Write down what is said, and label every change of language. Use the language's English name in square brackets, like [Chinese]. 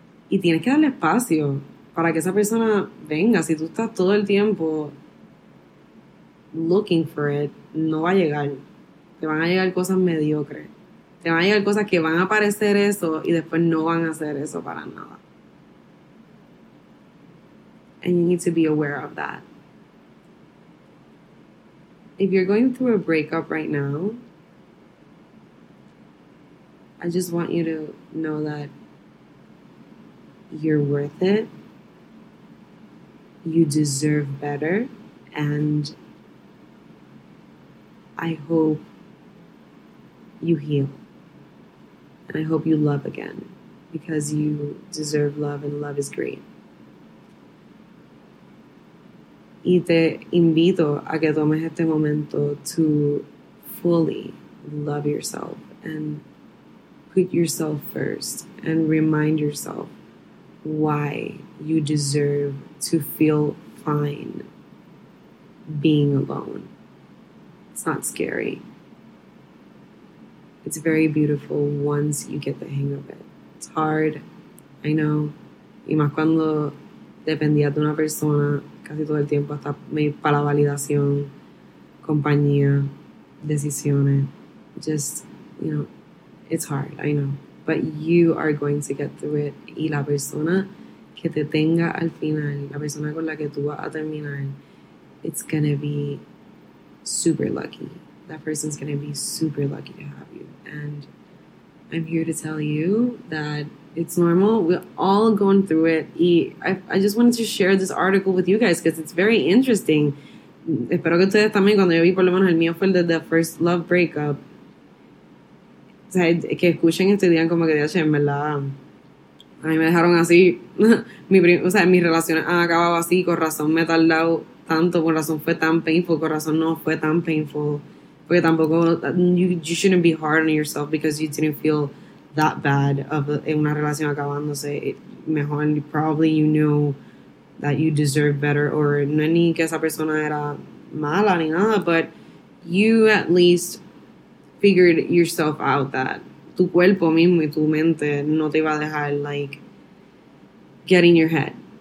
[Spanish] Y tienes que darle espacio para que esa persona venga. Si tú estás todo el tiempo [English] looking for it, [Spanish] no va a llegar. Te van a llegar cosas mediocres. Te van a llegar cosas que van a parecer eso y después no van a ser eso para nada. [English] And you need to be aware of that. If you're going through a breakup right now, I just want you to know that you're worth it. You deserve better, and I hope you heal, and I hope you love again, because you deserve love, and love is great. [Spanish] Y te invito a que tomes este momento [English] to fully love yourself, and put yourself first, and remind yourself why you deserve to feel fine being alone. It's not scary. It's very beautiful once you get the hang of it. It's hard, I know. [Spanish] Y más cuando dependía de una persona casi todo el tiempo, hasta para la validación, compañía, decisiones. [English] Just, you know, it's hard, I know. But you are going to get through it. [Spanish] Y la persona que te tenga al final, la persona con la que tú vas a terminar, [English] it's going to be super lucky. That person's going to be super lucky to have you. And I'm here to tell you that it's normal. We're all going through it. Y I just wanted to share this article with you guys because it's very interesting. [Spanish] Espero que ustedes también, cuando yo vi por lo menos el mío fue el de The First Love Breakup, que escuchen este día como que, en verdad, a mí me dejaron así. O sea, mi relación ha acabado así, con razón me he tardado tanto, con razón fue tan painful, con razón no fue tan painful. Porque tampoco, [English] you shouldn't be hard on yourself because you didn't feel that bad of [Spanish] una relación acabándose. [English] Mejor, probably you knew that you deserve better, or [Spanish] no ni que esa persona era mala ni nada, [English] but you at least figured yourself out that [Spanish] tu cuerpo mismo y tu mente no te iba a dejar, [English] like, get in your head.